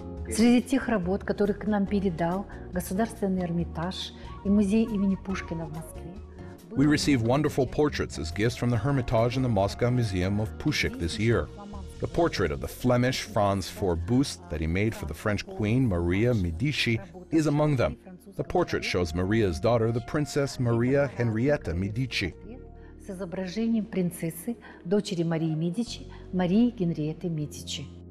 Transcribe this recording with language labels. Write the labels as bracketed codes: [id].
[ru] Среди тех работ, которые к нам передал Государственный Эрмитаж и Музей имени Пушкина в Москве. [en] We received wonderful portraits as gifts from the Hermitage and the Moscow Museum of Pushkin this year. The portrait of the Flemish Franz Forbust that he made for the French Queen Maria Medici is among them. The portrait shows Maria's daughter, the Princess Maria Henrietta Medici. [ru] С изображением принцессы, дочери Марии Медичи, Марии Генриетты Медичи.